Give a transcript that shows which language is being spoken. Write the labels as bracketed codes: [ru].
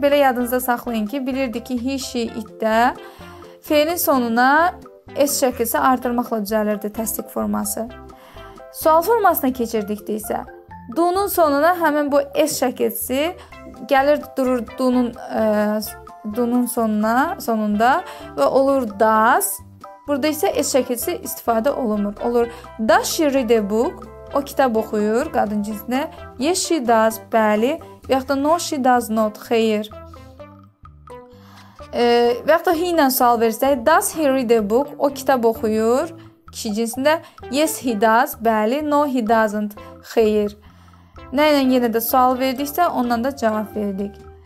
[az] Belə yadınızda saxlayın ki, bilirdik ki, he, she, it də feilin sonuna s şəkilsi artırmaqla düzəlirdi təsdiq forması. Sual formasına keçirdikdə isə, do-nun sonuna həmin bu s şəkilsi gəlir durur do-nun sonunda və olur does. Burada isə s şəkilsi istifadə olunmur. Olur [en] does she read a book? [az] O kitab oxuyur qadın cinsinə. [en] Yes she does, [az] bəli. Və yaxud da [en] no she does not, [az] xeyir. Və yaxud da he ilə sual versək, [en] does he read a book? [az] O kitab oxuyur kişi cinsində. [en] Yes he does, [az] bəli. [en] No he doesn't, [az] xeyir. Nə ilə yenə də sual verdiksə, ondan da cavab verdik.